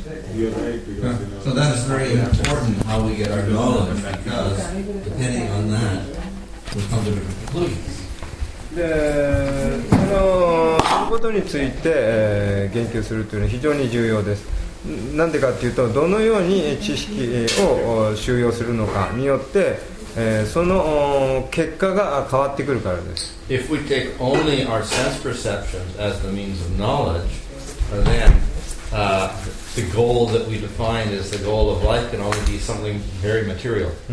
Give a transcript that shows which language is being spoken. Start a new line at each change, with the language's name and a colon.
English: So that is very important how we get our knowledge, because depending on that, we'll come to different conclusions.
Japanese: で、その、そのことについて、言及するというのは非常に重要です。なんでかっていうと、どのように知識を収容するのかによって、その結果が変わってくるからです。
English: If we take only our sense perceptions as the means of knowledge, then the goal that we define as the goal of life can only be something very material.